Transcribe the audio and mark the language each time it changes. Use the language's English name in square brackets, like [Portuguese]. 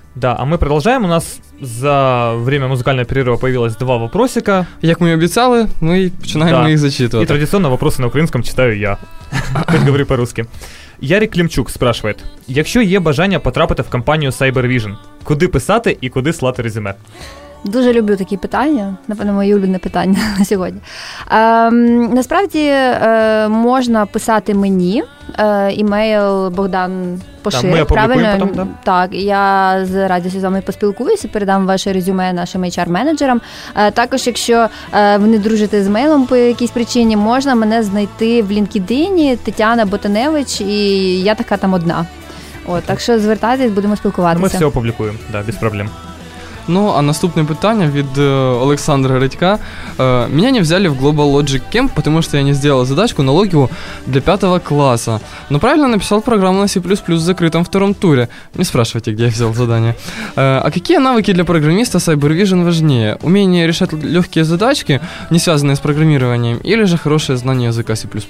[Russian] Да, а ми продолжаем. У нас за время музыкального перерыва появилось два вопросика. Как мы и обещали, мы начинаем их зачитывать. И традиционно вопросы на украинском читаю я. Хоть говорю по-русски. [Ukrainian] Ярик Климчук [Russian] спрашивает. [Ukrainian] Якщо є бажання потрапити в компанию CyberVision, куди писати и куди слати резюме? Дуже люблю такі питання, напевно, моє улюблене питання на сьогодні. Насправді можна писати мені імейл Богдан Пошир. Ми опублікуємо правильно? Потім, так? Так, я з радістю з вами поспілкуюся, передам ваше резюме нашим HR-менеджерам. Також, якщо ви не дружите з мейлом по якійсь причині, можна мене знайти в LinkedIn, Тетяна Ботаневич, і я така там одна. От, так що звертайтесь, будемо спілкуватися. Ми все опублікуємо, да, без проблем. Ну, а наступне питання від Олександра Редька. [Russian] Меня не взяли в Global Logic Camp, потому что я не сделал задачку на логику для 5 класса. Но правильно написал программу на C++ в закрытом втором туре. Не спрашивайте, где я взял задание. А какие навыки для программиста CyberVision важнее? Умение решать легкие задачки, не связанные с программированием, или же хорошее знание языка C++?